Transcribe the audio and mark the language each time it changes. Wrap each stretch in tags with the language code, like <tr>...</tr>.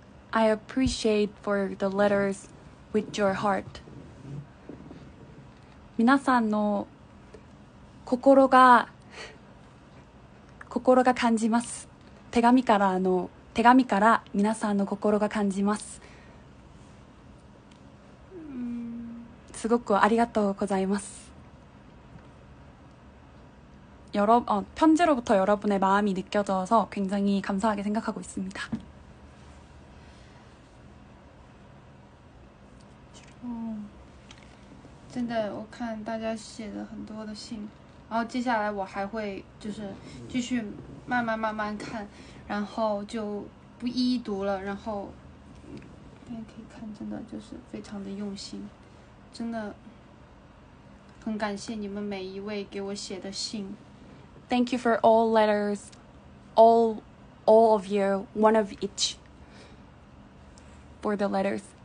<en>I appreciate for the letters with your heart.</en> <ja>皆さんの心が感じます。手紙から皆さんの心が感じます。すごくありがとうございます。</ja> <ko>편지로부터여러분의마음이느껴져서굉장히감사하게생각하고있습니다</ko> <zh>真的我看大家写了很多的信然后接下来我还会就是继续慢慢慢慢看然后就不一一读了然后大家可以看真的就是非常的用心真的很感谢你们每一位给我写的信</zh> <en>Thank you for all letters, all of you, one of each, for the letters.</en>